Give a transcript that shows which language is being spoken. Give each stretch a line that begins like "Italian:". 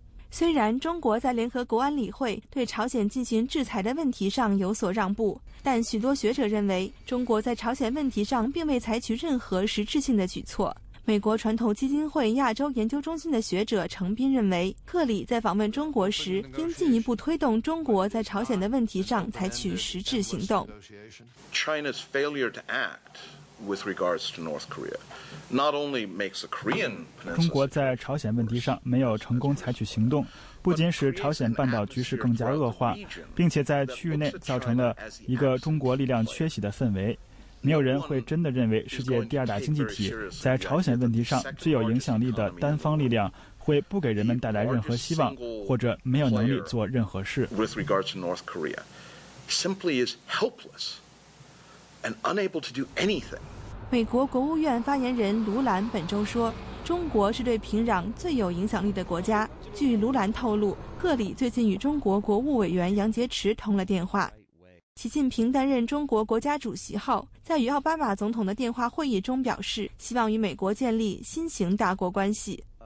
Chinese: 虽然中国在联合国安理会对朝鲜进行制裁的问题上有所让步，但许多学者认为中国在朝鲜问题上并未采取任何实质性的举措。美国传统基金会亚洲研究中心的学者程斌认为，克里在访问中国时应进一步推动中国在朝鲜的问题上采取实质行动。
English: China's failure to act with regards to North Korea not only makes the Korean
Chinese: 中国在朝鲜问题上没有成功采取行动，不仅使朝鲜半岛局势更加恶化，并且在区域内造成了一个中国力量缺席的氛围。没有人会真的认为世界第二大经济体在朝鲜问题上最有影响力的单方力量会不给人们带来任何希望，或者没有能力做任何事。
English: With regard to North Korea, simply is helpless and unable to do anything.
Chinese: 美国国务院发言人卢兰本周说，中国是对平壤最有影响力的国家。据卢兰透露，克里最近与中国国务委员杨洁篪通了电话。习近平担任中国国家主席后，在与奥巴马总统的电话会议中表示，希望与美国建立新型大国关系。